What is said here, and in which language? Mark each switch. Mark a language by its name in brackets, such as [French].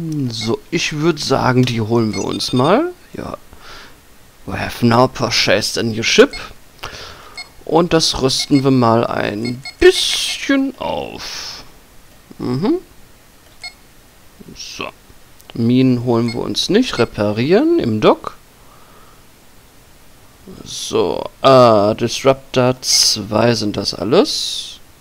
[German] So, ich würde sagen, die holen wir uns mal. Ja. [English] We have now purchased a new ship. [German] Und das rüsten wir mal ein bisschen auf. So. Minen holen wir uns nicht. Reparieren im Dock. So. Disruptor 2 sind das alles.